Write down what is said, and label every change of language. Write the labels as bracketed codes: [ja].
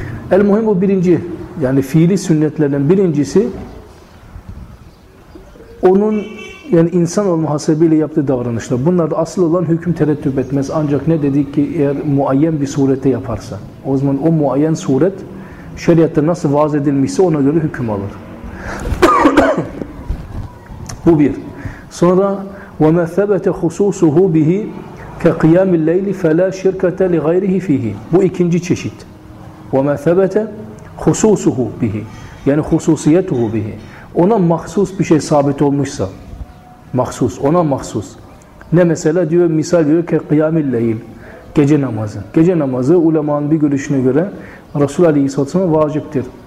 [tr] El-muhim bu birinci, yani fiili sünnetlerden birincisi onun yani insan olma hasebiyle yaptığı davranışlar. Bunlar da asıl olan hüküm terettüp etmez. Ancak ne dedik ki eğer muayyen bir surette yaparsa. O zaman o muayyen suret şeriatta nasıl vaaz edilmişse ona göre hüküm alır. Bu bir. [ar] Sonra وَمَا ثَبَتَ خُسُوسُهُ بِهِ كَقِيَامِ اللَّيْلِ فَلَا شِرْكَةَ لِغَيْرِهِ فِيهِ. [tr] Bu ikinci çeşit. [ar] وَمَا ثَبَتَ خُسُوسُهُ بِهِ yani hususiyetuhu bihi. [tr] Ona mahsus bir şey sabit olmuşsa mahsus, ona mahsus. Ne mesela diyor, misal diyor [ar] كَقِيَامِ اللَّيْلِ [tr] gece namazı. Gece namazı ulemanın bir görüşüne göre Resulü Aleyhisselatü Vesselam vaciptir.